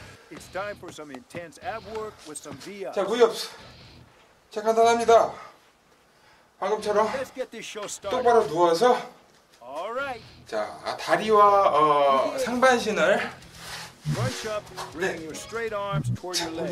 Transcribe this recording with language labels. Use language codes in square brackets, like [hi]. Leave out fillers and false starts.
[en] It's time for some intense ab work with some VIA. [ko] 자, 무협스. 자, 간단합니다. 방금처럼 똑바로 누워서. [en] All right. [ko] 자, 다리와 상반신을 [en] crunch up, bring your straight arms toward your legs.